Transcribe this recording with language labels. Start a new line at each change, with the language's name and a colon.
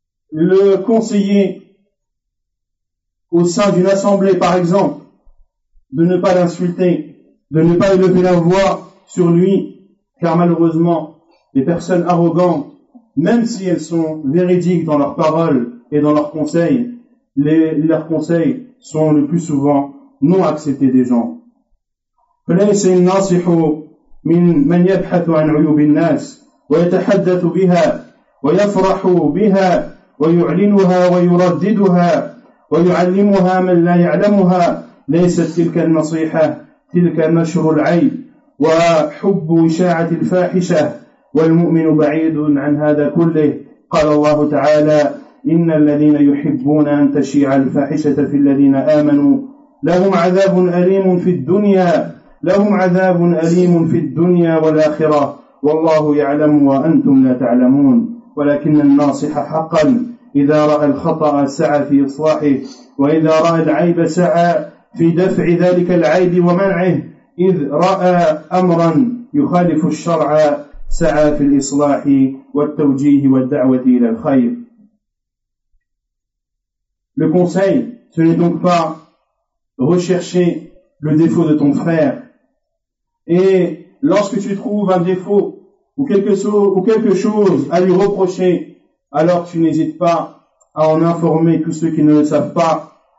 French: le conseiller au sein d'une assemblée, par exemple, de ne pas l'insulter, de ne pas élever la voix sur lui, car malheureusement, les personnes arrogantes, même si elles sont véridiques dans leurs paroles et dans leurs conseils, leurs conseils sont le plus souvent non acceptés des gens.
Arabic: فليس الناصح من من يبحث عن عيوب الناس ويتحدث بها ويفرح بها ويعلنها ويرددها ويعلمها من لا يعلمها ليست تلك النصيحة تلك نشر العيب وحب إشاعة الفاحشة والمؤمن بعيد عن هذا كله قال الله تعالى إن الذين يحبون أن تشيع الفاحشة في الذين آمنوا لهم عذاب أليم في الدنيا لهم عذاب أليم في الدنيا والآخرة والله يعلم وأنتم لا تعلمون ولكن الناصح حقا إذا رأى الخطأ سعى في إصلاحه وإذا رأى العيب سعى في دفع ذلك العيب ومنعه إذ رأى أمرا يخالف الشرع سعى في الإصلاح والتوجيه والدعوة إلى الخير.
French: Le conseil, ce n'est donc pas rechercher le défaut de ton frère. Et lorsque tu trouves un défaut ou quelque chose à lui reprocher, alors tu n'hésites pas à en informer tous ceux qui ne le savent pas.